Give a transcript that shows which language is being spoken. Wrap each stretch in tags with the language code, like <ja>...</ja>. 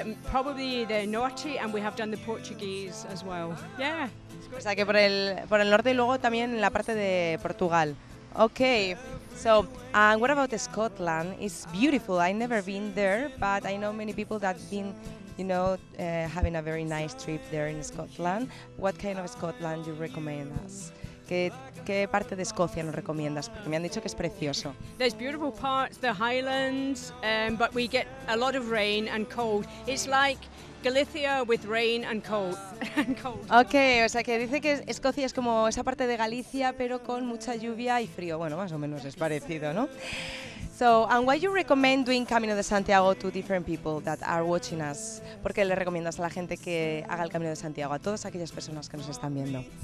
<en>Probably the Norte, and we have done the Portuguese as well. Yeah.</en> <es>O sea que por el norte y luego también en la parte de Portugal.</es> <en>Okay. So, what about Scotland? It's beautiful. I've never been there, but I know many people that have been, you know, having a very nice trip there in Scotland. What kind of Scotland do you recommend us?</en> <es>¿Qué parte de Escocia nos recomiendas? Porque me han dicho que es precioso.</es> <en>There's beautiful parts, the Highlands, but we get a lot of rain and cold. It's like Galicia with rain and cold.</en> <es>Okay, o sea que dice que Escocia es como esa parte de Galicia, pero con mucha lluvia y frío. Bueno, más o menos es parecido, ¿no?</es> <en>So, and why you recommend doing Camino de Santiago to different people that are watching us?</en> <es>¿Por qué le recomiendas a la gente que haga el Camino de Santiago, a todas aquellas personas que nos están viendo?</es>